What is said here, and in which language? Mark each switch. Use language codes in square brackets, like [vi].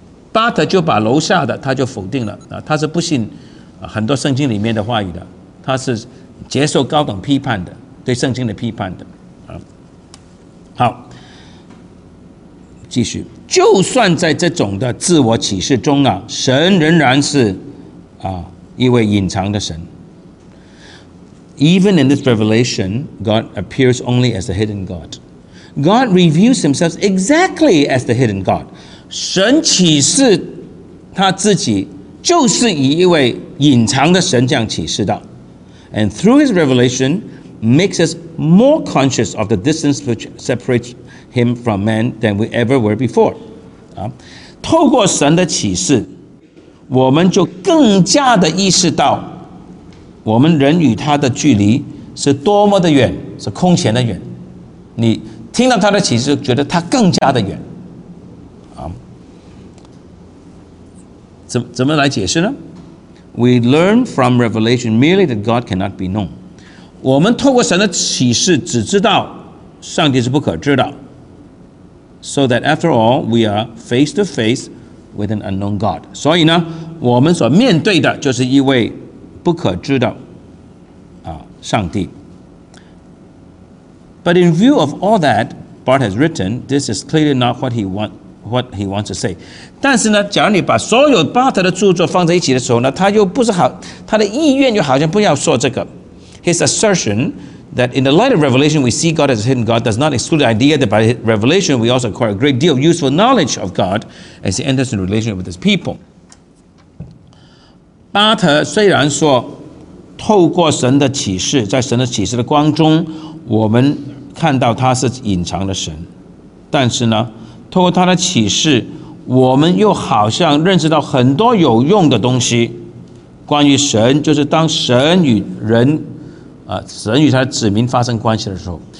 [zh] 巴特就把楼下的他就否定了，他是不信很多圣经里面的话语的，他是接受高等批判的，对圣经的批判的。好，继续，就算在这种的自我启示中啊，神仍然是一位隐藏的神。 [en] Even in this revelation, God appears only as the hidden God. God reveals himself exactly as the hidden God. [zh] 神启示他自己就是以一位隐藏的神这样启示的。 [en] And through his revelation, makes us more conscious of the distance which separates him from man than we ever were before. [zh] 透过神的启示，我们就更加的意识到我们人与他的距离是多么的远，是空前的远。你听到他的启示，觉得他更加的远。怎么来解释呢？ [en] We learn from revelation merely that God cannot be known. [zh] 我们透过神的启示只知道上帝是不可知道。 [en] So that after all, we are face to face with an unknown God. [zh] 所以呢，我们所面对的就是一位不可知的上帝。 [en] But in view of all that Bart has written, this is clearly not what he wants to say. [zh] 但是呢，假如你把所有巴特的著作放在一起的时候呢，他又不是好，他的意愿又好像不要说这个。 [en] His assertion that in the light of revelation we see God as a hidden God does not exclude the idea that by revelation we also acquire a great deal of useful knowledge of God as he enters in relation with his people. [zh] 巴特虽然说透过神的启示，在神的启示的光中我们看到他是隐藏的神，但是呢，透过他的启示我们又好像认识到很多有用的东西关于神，就是当神与人神与他的子民发生关系的时候。